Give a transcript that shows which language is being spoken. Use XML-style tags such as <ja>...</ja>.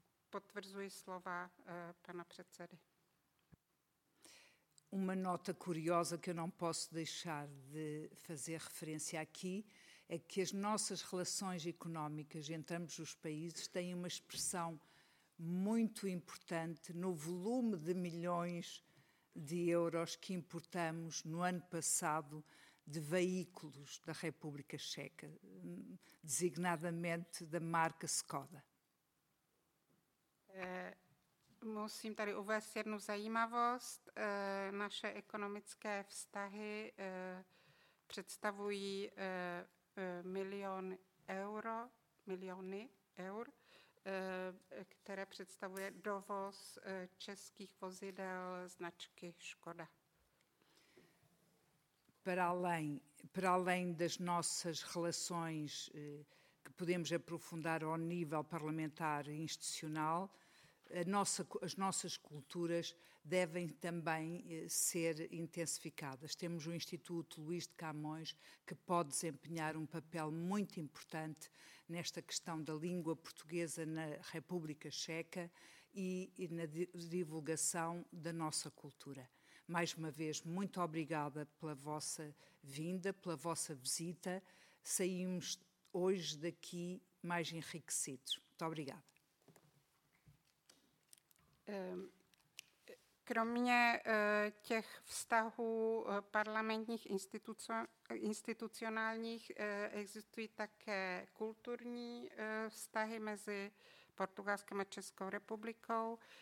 <cs>Potvrzuji slova pana předsedy.</cs> <pt>Uma nota curiosa que eu não posso deixar de fazer referência aqui é que as nossas relações económicas entre ambos os países têm uma expressão muito importante no volume de milhões de euros que importamos no ano passado de veículos da República Checa, designadamente da marca Skoda.</pt> <cs>Musím tady uvést jednu zajímavost. Naše ekonomické vztahy představují miliony eur, které představuje dovoz českých vozidel značky Škoda.</cs> <pt>Para além das nossas relações que podemos aprofundar ao nível parlamentar e institucional, as nossas culturas devem também ser intensificadas. Temos o Instituto Luís de Camões, que pode desempenhar um papel muito importante nesta questão da língua portuguesa na República Checa e na divulgação da nossa cultura. Mais uma vez, muito obrigada pela vossa vinda, pela vossa visita. Saímos hoje daqui mais enriquecidos. Muito obrigada.</pt> <cs>Kromě těch vztahů parlamentních institucionálních existují také kulturní vztahy mezi Portugalskem a Českou republikou.</cs>